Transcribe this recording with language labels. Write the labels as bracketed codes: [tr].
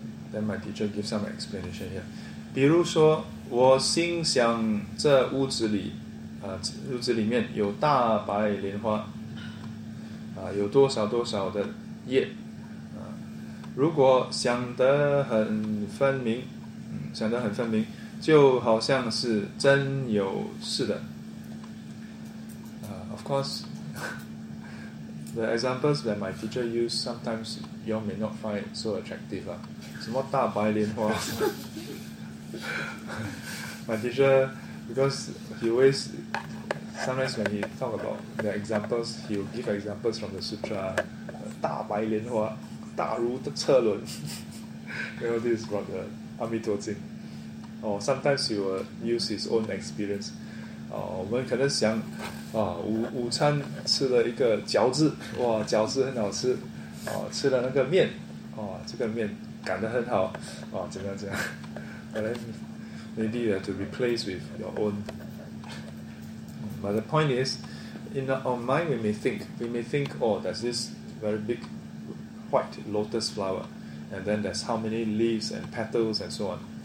[en] Then my teacher gives some explanation here. [zh] 比如说，我心想这屋子里面有大白莲花。有多少多少的业，如果想得很分明，想得很分明，就好像是真有似的。 [en] Of course, the examples that my teacher use sometimes you may not find so attractive. [zh] 什么大白莲花？ [en] My teacher, because he always. Sometimes when he talk about the examples, he will give examples from the sutra. [zh] 大白莲花，大如的车轮。 [en] You know, this is from the Amitabha Jin. Or sometimes he will use his own experience. [zh] 我们可能想，午餐吃了一个饺子，哇，饺子很好吃。吃了那个面，这个面擀得很好。怎样？可能 [en] maybe you have to replace with your own. But the point is, in our mind, we may think, oh, there's this very big white lotus flower, and then there's how many leaves and petals and so on.